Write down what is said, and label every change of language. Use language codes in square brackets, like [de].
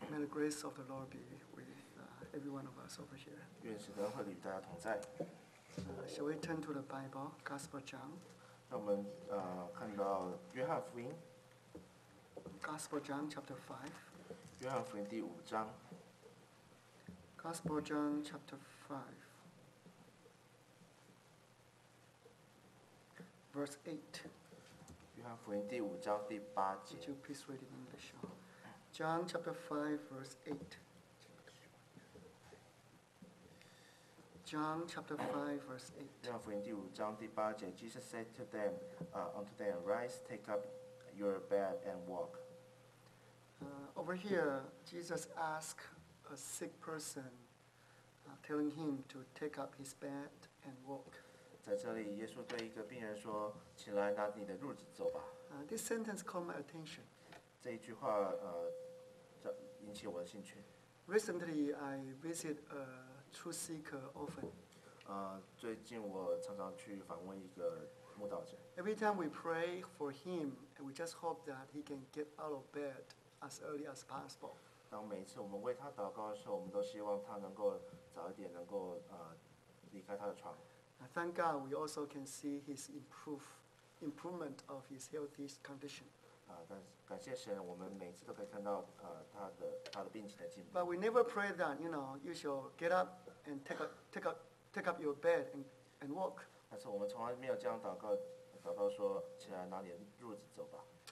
[en] grace of the Lord be with every one of us over here. [zh] 愿神的恩惠与大家同在。 [en] Shall we turn to the Bible, Gospel John? [zh] 让我们看到约翰福音。 [en] Gospel John chapter 5. [zh] 约翰福音第五章。 [en] Gospel John chapter 5. Verse 8. [zh] 约翰福音第五章第八节。 [en] Would you please read in English? John chapter 5, verse 8. John chapter 5, verse 8. [zh] 约翰福音第五章第八节。 [en] Jesus said to them, unto them, Rise, take up your bed and walk. Over here, Jesus asked a sick person, telling him to take up his bed and walk. [zh] 在这里，耶稣对一个病人说：“起来，拿你的褥子走吧。” [en] This sentence caught my attention. [zh] 这一句话引起我的兴趣。 [en] Recently, I visit a truth seeker often. [zh] 最近我常常去访问一个慕道者。 [en] Every time we pray for him, we just hope that he can get out of bed as early as possible. [zh] 当每次我们为他祷告的时候，我们都希望他能够早一点能够离开他的床。 [en] Thank God we also can see his improvement of his healthy condition. [zh] 感谢神，我们每次都可以看到他的病情的进步。 [en] But we never pray that, you know, you shall get up and take up your bed and walk. [zh] 但是我们从来没有这样祷告说起来拿你的褥子走吧。